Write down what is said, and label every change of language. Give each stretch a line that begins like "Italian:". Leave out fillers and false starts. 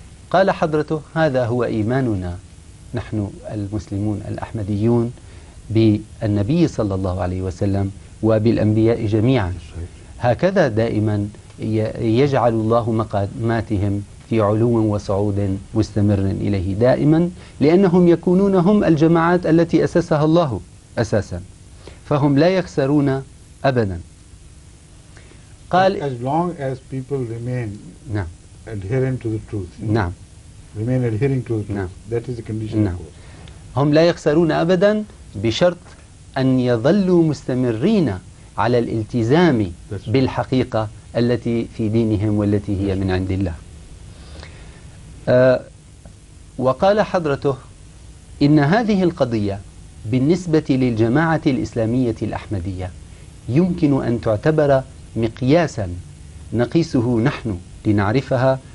Arabic: قال حضرته: هذا هو إيماننا نحن المسلمون الأحمديون بالنبي صلى الله عليه وسلم وبالأنبياء جميعا، هكذا دائما يجعل الله مقاماتهم في علو وصعود مستمر إليه دائما، لأنهم يكونون هم الجماعات التي أسسها الله أساسا، فهم لا يخسرون أبدا.
English: قال: as long as people remain adherent to the truth, remain adhering to the truth. That is the condition.
Arabic: هم لا يخسرون أبدا بشرط أن يظلوا مستمرين على الالتزام بالحقيقة التي في دينهم والتي هي من عند الله. وقال حضرته: إن هذه القضية بالنسبة للجماعة الإسلامية الأحمدية يمكن أن تعتبر مقياسا نقيسه نحن لنعرفها